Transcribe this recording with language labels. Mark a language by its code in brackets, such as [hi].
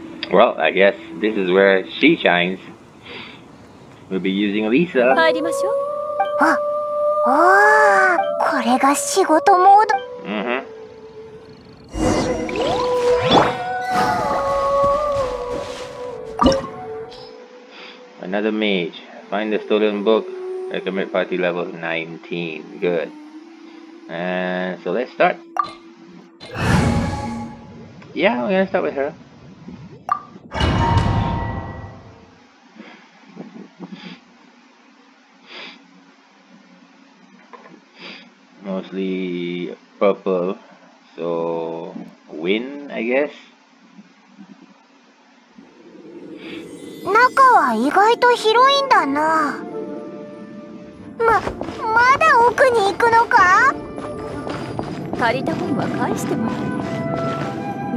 [en] Well, I guess this is where she shines. We'll be using Lisa. [ja] 入りましょう。あ、あー、これが仕事モード。 [en] Another mage. Find the stolen book. Recommend party level 19. Good. And so let's start. Yeah, we're gonna start with her. Mostly purple, so win, I guess. [ja] 中は意外と広いんだな。まだ奥に行くのか？借りた本は返してもらう。